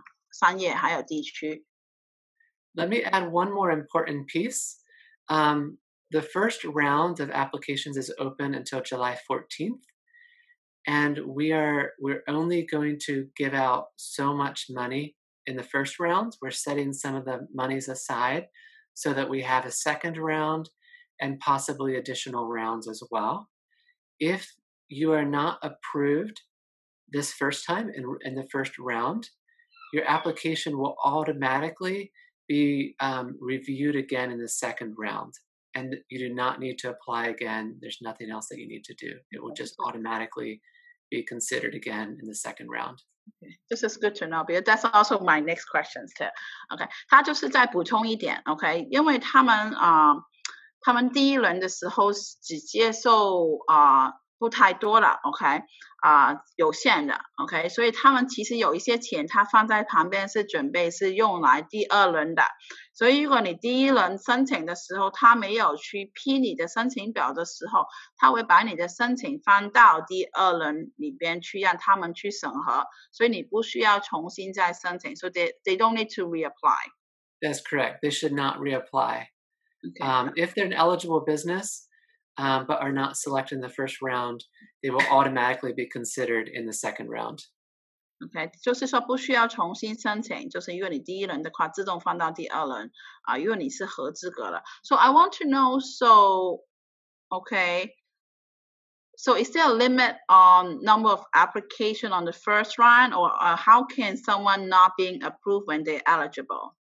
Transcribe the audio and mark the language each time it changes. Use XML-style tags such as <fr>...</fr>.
<zh>他就是说，在刚才有个网站上面有说，可能有某些绿营的这个商业，还是某些地区的话，可能有一些优先的，因为他们想确保就是需要这些钱可以分配到被需要的商业还有地区。</zh> <en>Let me add one more important piece. The first round of applications is open until July 14th. And we're only going to give out so much money in the first round. We're setting some of the monies aside so that we have a second round and possibly additional rounds as well. If you are not approved this first time in the first round, your application will automatically be reviewed again in the second round. And you do not need to apply again. There's nothing else that you need to do. It will just automatically be considered again in the second round. Okay. This is good to know, because that's also my next question too.</en> <zh>Okay, 他就是再补充一点, okay? 因为他们, 他们第一轮的时候只接受, 不太多了, okay? 有限的, okay? 所以他们其实有一些钱, 他放在旁边是准备是用来第二轮的, 所以如果你第一轮申请的时候, 他没有去批你的申请表的时候, 他会把你的申请放到第二轮里边去, 让他们去审核, 所以你不需要重新再申请,</zh> <en>so they don't need to reapply. That's correct. They should not reapply. Okay. If they're an eligible business, but are not selected in the first round, they will automatically be considered in the second round.</en> <zh>Okay, 就是说不需要重新申请，就是因为你第一轮的话自动放到第二轮，因为你是合资格了。</zh> <en>So I want to know, so is there a limit on number of application on the first round, or how can someone not being approved when they're eligible?</en>